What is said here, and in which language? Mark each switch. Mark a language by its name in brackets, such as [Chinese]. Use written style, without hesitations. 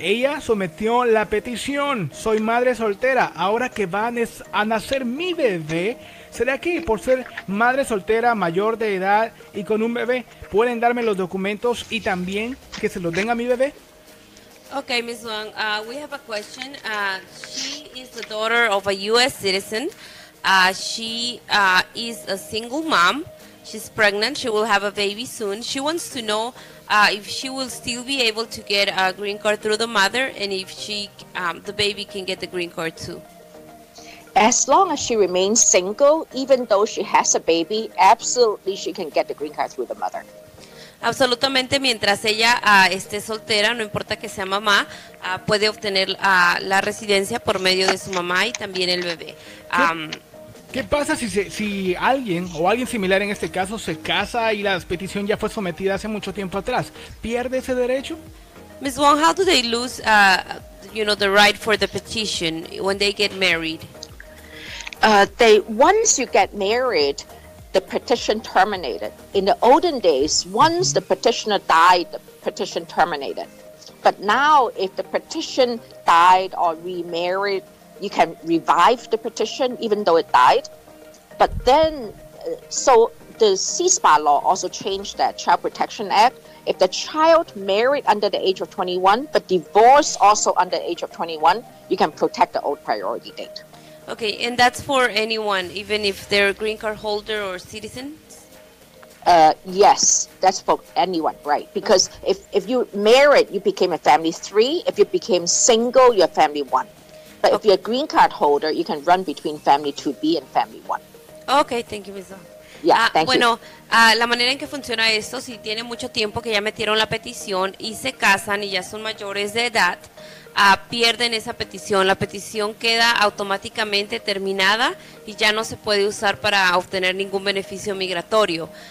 [Spanish] Ella sometió la petición. Soy madre soltera. Ahora que va a nacer mi bebé, ¿será que por ser madre soltera, mayor de edad y con un bebé, pueden darme los documentos y también que se los den a mi bebé? [English] Okay, Ms. Wong, we have a question. She is the daughter of a U.S. citizen. She is a single mom. She's pregnant. She will have a baby soon. She wants to know if she will still be able to get a green card through the mother, and if she, the baby can get the green card too. As long as she remains single, even though she has a baby, absolutely she can get the green card through the mother. [Spanish] Absolutamente, mientras ella esté soltera, no importa que sea mamá, puede obtener la residencia por medio de su mamá y también el bebé. ¿Qué pasa si alguien o alguien similar en este caso se casa y la petición ya fue sometida hace mucho tiempo atrás? ¿Pierde ese derecho? [English] Ms. Wong, how do they lose the right for the petition when they get married? Once you get married, the petition terminated. In the olden days, once the petitioner died, the petition terminated. But now if the petition died or remarried, you can revive the petition even though it died. But then, so the CSPA law also changed that, Child Protection Act. If the child married under the age of 21, but divorced also under the age of 21, you can protect the old priority date. Okay, and that's for anyone, even if they're a green card holder or citizen? Yes, that's for anyone, right? Because if you married, you became a family three. If you became single, you're family one. But okay. If you're a green card holder, you can run between family 2B and family 1. Okay, thank you, Ms. Wong. [Spanish] La manera en que funciona esto, si tiene mucho tiempo que ya metieron la petición y se casan y ya son mayores de edad, pierden esa petición. La petición queda automáticamente terminada y ya no se puede usar para obtener ningún beneficio migratorio.